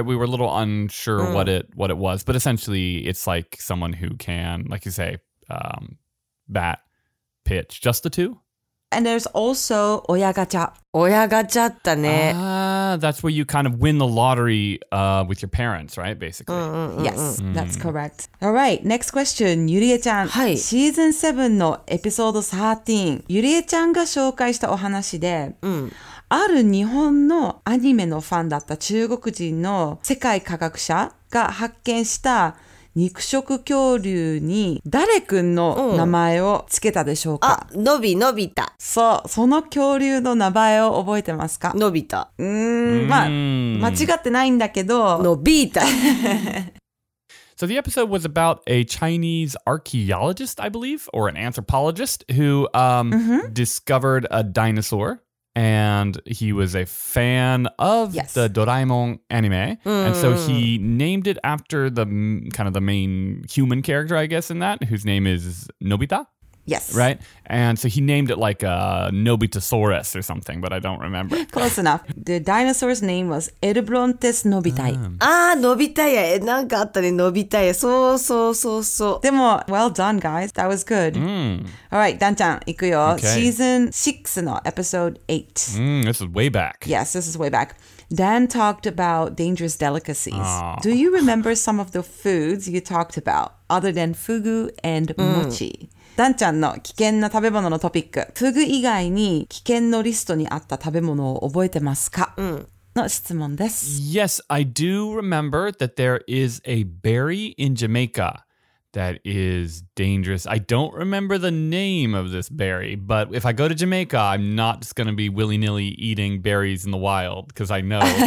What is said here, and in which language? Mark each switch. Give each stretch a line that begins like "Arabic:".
English: We were a little unsure what it was. But essentially, it's like someone who can, like you say, bat, pitch. Just the two? And there's also 親ガチャ。
Japanese: 親ガチャだね。
English: That's where you kind of win the lottery with your parents, right? Basically. Mm-hmm. Yes, mm-hmm. That's correct. All right, next question. ゆりえちゃん。
Japanese: はい。シーズン7のエピソード13。ゆりえちゃんが紹介したお話で、ある日本のアニメのファンだった中国人の世界科学者が発見した肉食恐竜に誰くんの名前をつけたでしょうか、うん、あ、のびのびた。そう、その恐竜の名前を覚えてますか？のびた。まあ、間違ってないんだけど。のびた。
English: So the episode was about a Chinese archaeologist, I believe, or an anthropologist, who discovered a dinosaur. And he was a fan of yes. the Doraemon anime. And so he named it after the kind of the main human character, I guess, in that, whose name is Nobita. Yes. Right? And so he named it like a Nobitasaurus or something, but I don't remember. Close enough. The dinosaur's name was Erbrontes Nobitae.
Japanese: Ah, Nobitae. なんかあったね、Nobitae. そうそうそうそう。
English: でも、well done, guys. That was good. All right, Dan-chan,
Japanese: 行くよ。
English: Season 6 の episode 8. This is way back. Yes, this is way back. Dan talked about dangerous delicacies. Do you remember some of the foods you talked about, other than fugu and mochi? ダ
Japanese: ンちゃんの危険な食べ物のトピック。フグ以外に危険のリストにあった食べ物を覚えてますか？の質問です。
English: Yes, I do remember that there is a berry in Jamaica that is dangerous. I don't remember the name of this berry, but if I go to Jamaica, I'm not just going to be willy-nilly eating berries in the wild because I know.